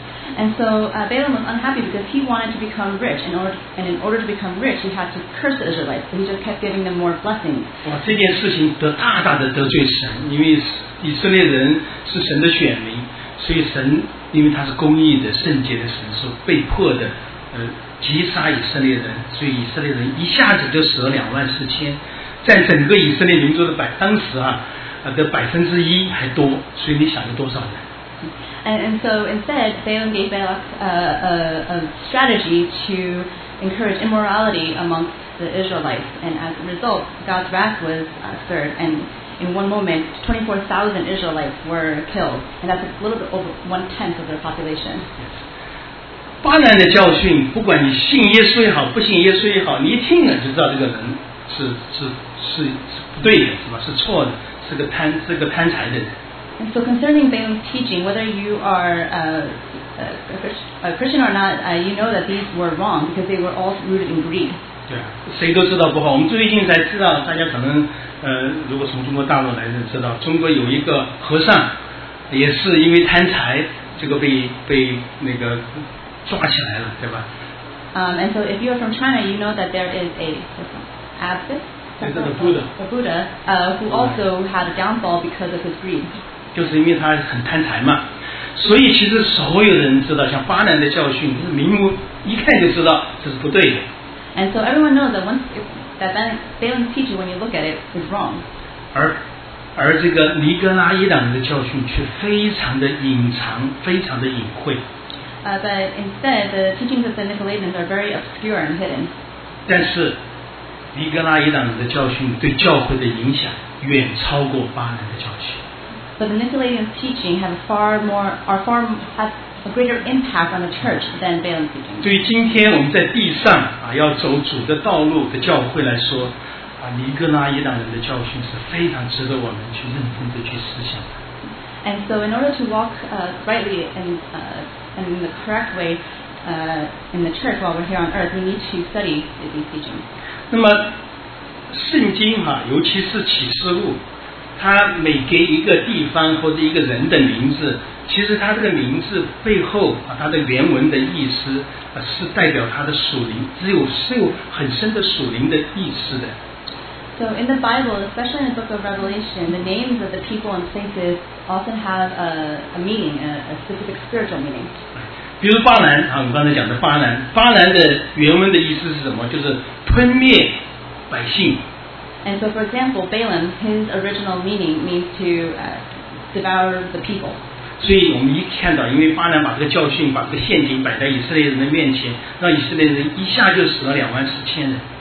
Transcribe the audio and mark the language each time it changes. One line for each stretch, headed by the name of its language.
English: And so Balaam was unhappy because he wanted to become rich, in order to become rich, he had to curse the Israelites. So he just kept giving them more blessings.
Chinese: 哇，这件事情得大大的得罪神，因为以色列人是神的选民，所以神因为他是公义的、圣洁的神，是被迫的，击杀以色列人，所以以色列人一下子就死了24000，在整个以色列民族的1%还多，所以你想有多少人？
English: And so instead, Balaam gave Balak a strategy to encourage immorality amongst the Israelites. And as a result, God's wrath was stirred. And in one moment, 24,000 Israelites were killed. And that's a little bit over one-tenth of their population.
Chinese: 巴兰的教训，不管你信耶稣也好，不信耶稣也好，你一听了就知道这个人是不对的，是吧？是错的，是个贪财的人。
English: And so concerning Balaam's teaching, whether you are a Christian or not, you know that these were wrong because they were all rooted in greed.
Chinese: 对，谁都知道不好。我们最近才知道，大家可能如果从中国大陆来的，知道中国有一个和尚，也是因为贪财，这个被那个抓起来了，对吧？
English: And so if you are from China, you know that there is a abbot, a Buddha, who also had a downfall because of his greed.
Chinese: 就是因为他很贪财嘛，所以其实所有人知道，像巴兰的教训，就是明目一看就知道这是不对的。
English: And so everyone knows that Balaam's teaching, when you look at it, is wrong.
Chinese: 而这个尼格拉伊党的教训却非常的隐藏，非常的隐晦。
English: But instead, the teachings of the Nicolaitans are very obscure and hidden.
Chinese: 但是尼格拉伊党的教训对教会的影响远超过巴兰的教训。
English: But the Nicolaitan teaching has a greater impact on the church than Balaam's teaching.
Chinese: 对于今天我们在地上啊，要走主的道路的教会来说，啊，尼格拉伊党人的教训是非常值得我们去认真的去思想的。
English: And so, in order to walk rightly and in the correct way in the church while we're here on earth, we need to study these teachings.
Chinese: 那么，圣经哈，尤其是启示录。他每给一个地方或者一个人的名字，其实他这个名字背后啊，他的原文的意思是代表他的属灵，只有很深的属灵的意思的。
English: So in the Bible, especially in the Book of Revelation, the names of the people and places often have a meaning, a specific spiritual meaning.
Chinese: 比如巴兰啊，我刚才讲的巴兰的原文的意思是什么？就是吞灭百姓。
English: And so, for example, Balaam, his original meaning means to devour the people.
Chinese: 所以我们一看到，因为巴兰把这个教训、把这个陷阱摆在以色列人的面前，让以色列人一下就死了24000人，